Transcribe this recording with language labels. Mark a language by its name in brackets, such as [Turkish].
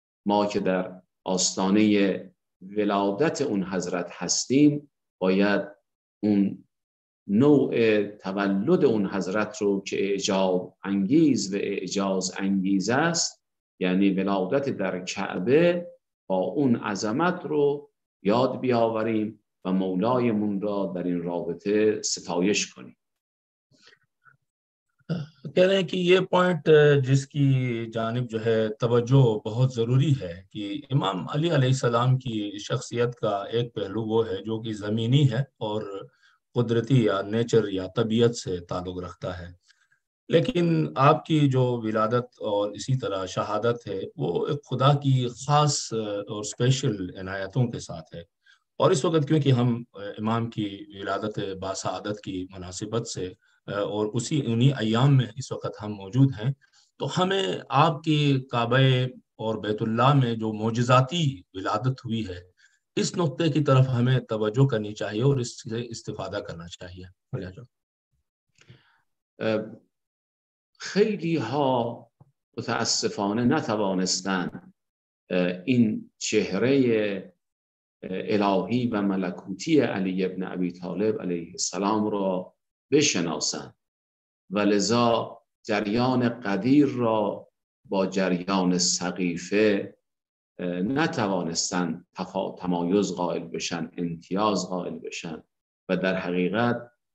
[Persian] ما که در آستانه ولادت اون حضرت هستیم باید اون نوع تولد اون حضرت رو که اعجاب انگیز و اعجاز انگیز است، یعنی ولادت در کعبه، با اون عظمت رو یاد بیاوریم و مولایمون را در این رابطه ستایش کنیم. [Urdu] کہہ رہے ہیں کہ یہ پوائنٹ جس کی جانب جو ہے توجہ بہت ضروری ہے کہ امام علی علیہ السلام کی شخصیت کا ایک پہلو وہ ہے جو کہ زمینی ہے اور قدرتی یا نیچر یا طبیعت سے تعلق رکھتا ہے، لیکن آپ کی جو ولادت اور اسی طرح شہادت ہے وہ ایک خدا کی خاص اور اسپیشل عنایتوں کے ساتھ ہے، اور اس وقت کیونکہ ہم امام کی ولادت باسعادت کی مناسبت سے اور اسی انہی ایام میں اس وقت ہم موجود ہیں، تو ہمیں آپ کی کعبے اور بیت اللہ میں جو معجزاتی ولادت ہوئی ہے اس نقطے کی طرف ہمیں توجہ کرنی چاہیے اور اس سے استفادہ کرنا چاہیے. [Persian] خیلی ها متاسفانه نتوانستن این چهره الهی و ملکوتی علی ابن ابی طالب علیه السلام را بشناسند و لذا جریان قدیر را با جریان سقیفه نتوانستن تمایز قائل بشن، امتیاز قائل بشن، و در حقیقت